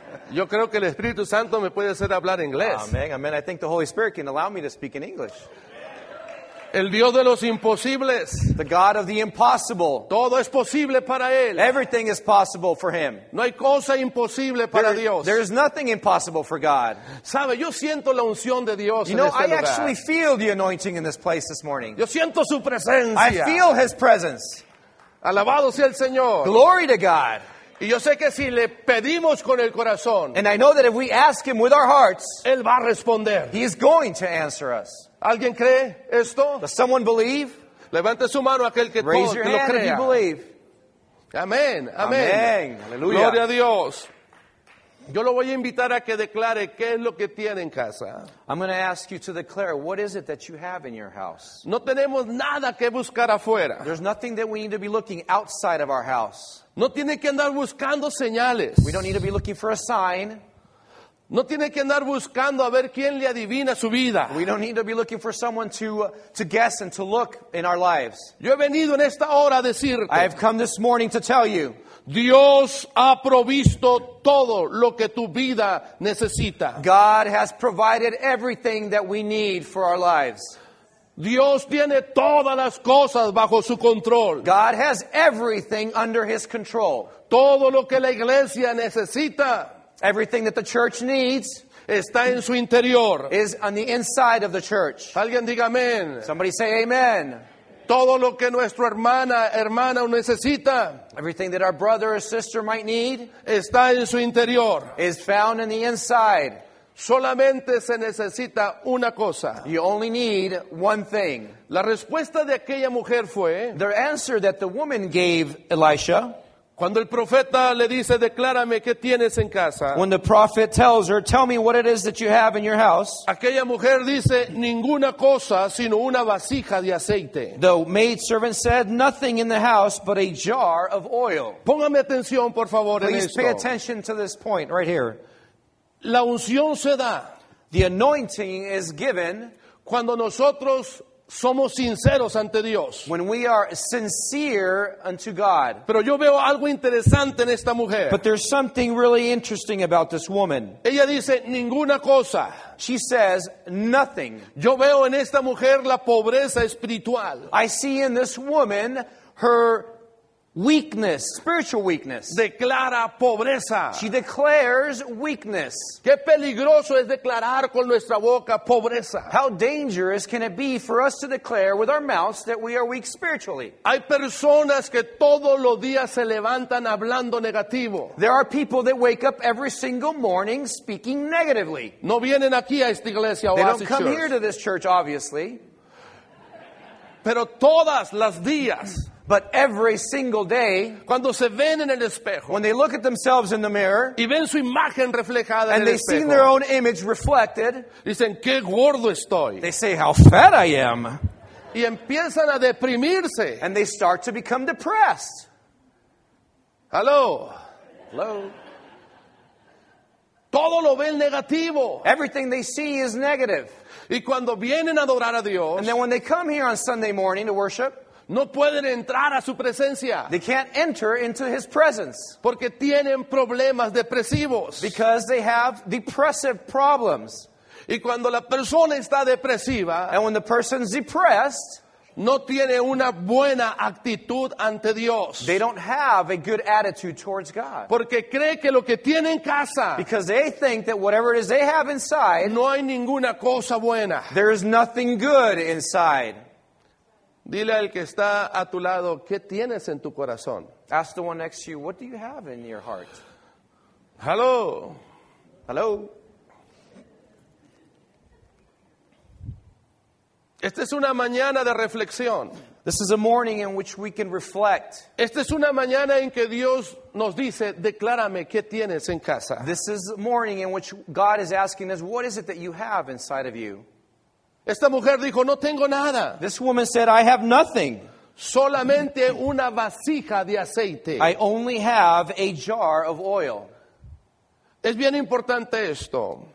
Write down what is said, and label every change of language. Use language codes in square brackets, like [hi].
[es] Yo creo que el Espíritu Santo me puede hacer hablar inglés. Amen, amen. [en] I think the Holy Spirit can allow me to speak in English. [es] El Dios de los imposibles. [en] The God of the impossible. [es] Todo es posible para Él. [en] Everything is possible for Him. [es] No hay cosa imposible para Dios. [en] There is nothing impossible for God. [es] ¿Sabe? Yo siento la unción de Dios en este lugar. [en] You know, I actually feel the anointing in this place this morning. [es] Yo siento su presencia. [en] I feel His presence. [es] Alabado sea el Señor. [en] Glory to God. [es] Y yo sé que si le pedimos con el corazón, [en] and I know that if we ask Him with our hearts, [es] Él va a responder. [en] He is going to answer us. [es] ¿Alguien cree esto? [en] Does someone believe? [es] Levante su mano aquel que [en] raise your [es] lo [en] hand [es] crea. [en] If you believe. [es] Amén. Amén. Amén. Aleluya. Gloria a Dios. Yo lo voy a invitar a que declare qué es lo que tiene en casa. [en] I'm going to ask you to declare, what is it that you have in your house? [es] No tenemos nada que buscar afuera. [en] There's nothing that we need to be looking outside of our house. [es] No tiene que andar buscando señales. [en] We don't need to be looking for a sign. [es] No tiene que andar buscando a ver quién le adivina su vida. [en] We don't need to be looking for someone to guess and to look in our lives. [es] Yo he venido en esta hora a decirte. [en] I have come this morning to tell you. [es] Dios ha provisto todo lo que tu vida necesita. [en] God has provided everything that we need for our lives. [es] Dios tiene todas las cosas bajo su control. [en] God has everything under His control. [es] Todo lo que la iglesia necesita. [en] Everything that the church needs [es] está en su interior. [en] Is on the inside of the church. [es] Alguien diga amén. [en] Somebody say amen. [es] Todo lo que nuestra hermana necesita. [en] Everything that our brother or sister might need [es] está en su interior. [en] Is found in the inside. [es] Solamente se necesita una cosa. [en] You only need one thing. [es] La respuesta de aquella mujer fue. [en] The answer that the woman gave Elisha. [es] Cuando el profeta le dice, declárame qué tienes en casa. [en] When the prophet tells her, tell me what it is that you have in your house. [es] Aquella mujer dice, ninguna cosa sino una vasija de aceite. [en] The maidservant said, nothing in the house but a jar of oil. [es] Póngame atención, por favor, [en] please [es] en esto. [en] Please pay attention to this point right here. [es] La unción se da. [en] The anointing is given. [es] Cuando nosotros somos sinceros ante Dios. [en] When we are sincere unto God. [es] Pero yo veo algo interesante en esta mujer. [en] But there's something really interesting about this woman. [es] Ella dice, ninguna cosa. [en] She says, nothing. [es] Yo veo en esta mujer la pobreza espiritual. [en] I see in this woman her weakness, spiritual weakness. [es] Declara pobreza. [en] She declares weakness. [es] Qué peligroso es declarar con nuestra boca pobreza. [en] How dangerous can it be for us to declare with our mouths that we are weak spiritually? [es] Hay personas que todos los días se levantan hablando negativo. [en] There are people that wake up every single morning speaking negatively. [es] No vienen aquí a esta iglesia. [en] They don't come here to this church, obviously. [es] Pero todas las días. [en] But every single day, [es] cuando se ven en el espejo, [en] when they look at themselves in the mirror, [es] y ven su imagen reflejada [en] and [es] en [en] they [es] el espejo, [en] see their own image reflected, [es] dicen, qué gordo estoy. [en] They say, how fat I am. [es] Y empiezan a deprimirse. [en] And they start to become depressed. Hello. Hello. [es] Todo lo ven negativo. [en] Everything they see is negative. [es] Y cuando vienen a adorar a Dios, [en] and then when they come here on Sunday morning to worship, [es] no pueden entrar a su presencia. [en] They can't enter into his presence. [es] Porque tienen problemas depresivos. [en] Because they have depressive problems. [es] Y cuando la persona está depresiva, [en] and when the person's depressed, [es] no tiene una buena actitud ante Dios. [en] They don't have a good attitude towards God. [es] Porque cree que lo que tiene en casa, [en] because they think that whatever it is they have inside, [es] no hay ninguna cosa buena. [en] There is nothing good inside. [es] Dile al que está a tu lado, ¿qué tienes en tu corazón? [en] Ask the one next to you, what do you have in your heart? Hello. Hello. [es] Esta es una mañana de reflexión. [en] This is a morning in which we can reflect. [es] Esta es una mañana en que Dios nos dice, declárame, ¿qué tienes en casa? [en] This is a morning in which God is asking us, what is it that you have inside of you? [es] Esta mujer dijo, no tengo nada. [en] This woman said, I have nothing. [es] Solamente una vasija de aceite. [en] I only have a jar of oil. [es] Es bien importante esto.